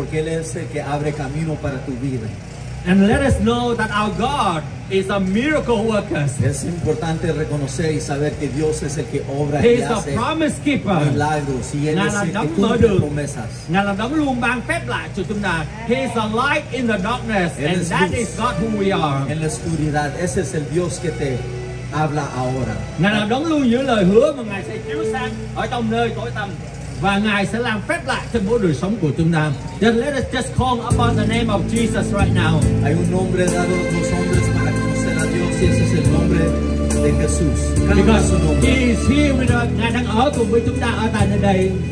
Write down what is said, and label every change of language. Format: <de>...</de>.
<en>And let us know that our God is a miracle worker.</en> <es>Es importante reconocer y saber que Dios es el que obra y hace milagros.</es> <en>He is a promise keeper.</en> <es>Milagros, y él es el que cumple promesas.</es> <vi>Ngài là đấng luôn ban phép lạ cho chúng ta.</vi> <en>He is a light in the darkness, and that is God who we are.</en> <es>En la oscuridad, ese es el Dios que te habla ahora.</es> <vi>Ngài là đấng luôn giữ lời hứa mà Ngài sẽ chiếu sáng ở trong nơi tối tăm. Và Ngài sẽ làm phép lạ trên mỗi đời sống của chúng ta.</vi> <en>Then let us just call upon the name of Jesus right now.</en> <es>Hay un nombre dado a los hombres para conocer a Dios, y ese es el nombre de Jesús.</es> <en>Because He is here with us.</en> <vi>Ngài đang ở cùng với chúng ta ở tại nơi đây.</vi>